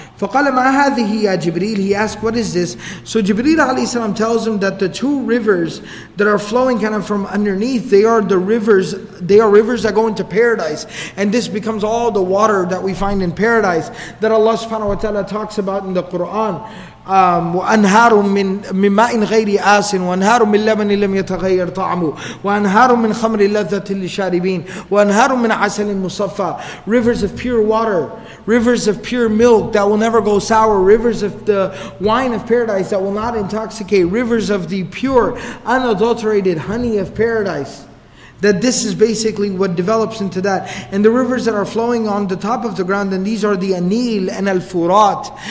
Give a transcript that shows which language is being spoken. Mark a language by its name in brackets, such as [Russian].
[Arabic] فقال ما هذه يا جبريل. [English] He asked, what is this? So Jibreel alayhi salam tells him that the two rivers that are flowing kind of from underneath, they are the rivers, they are rivers that go into paradise. And this becomes all the water that we find in paradise that Allah subhanahu wa ta'ala talks about in the Quran. [Arabic] وأنهار من مماء غير آس وأنهار من لبن لم يتغير طعمه وأنهار من خمر لذة للشاربين وأنهار من عسل مصفى. [English] Rivers of pure water, rivers of pure milk that will never go sour, rivers of the wine of paradise that will not intoxicate, rivers of the pure unadulterated honey of paradise. That this is basically what develops into that. And the rivers that are flowing on the top of the ground, and these are the Anil and Al-Furat.